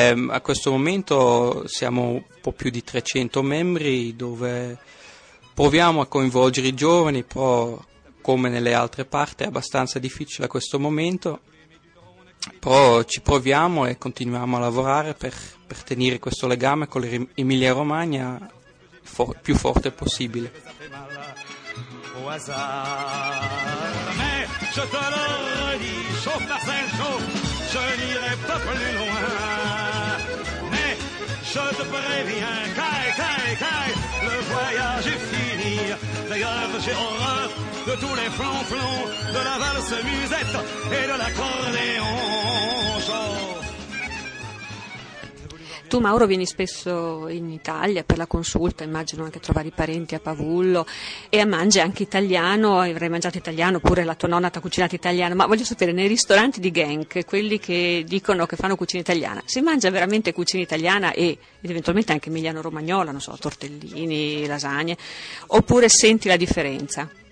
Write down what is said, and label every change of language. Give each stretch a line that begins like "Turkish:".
Italian: A questo momento siamo un po' più di 300 membri, dove proviamo a coinvolgere i giovani, però come nelle altre parti è abbastanza difficile a questo momento, però ci proviamo e continuiamo a lavorare per tenere questo legame con l'Emilia Romagna più forte possibile.
French: Au hasard. Mais je te le redis, chauffe la selle, chauffe, je n'irai pas plus loin. Mais je te préviens, caille, caille, caille, le voyage est fini. D'ailleurs, j'ai horreur de tous les flonflons, de la valse musette et de l'accordéon.
Italian: Tu, Mauro, vieni spesso in Italia per la consulta, immagino anche trovare i parenti a Pavullo, e mangi anche italiano, avrai mangiato italiano, pure la tua nonna ti ha cucinato italiano, ma voglio sapere, nei ristoranti di Genk, quelli che dicono che fanno cucina italiana, si mangia veramente cucina italiana ed eventualmente anche emiliano romagnola, non so, tortellini, lasagne, oppure senti la differenza?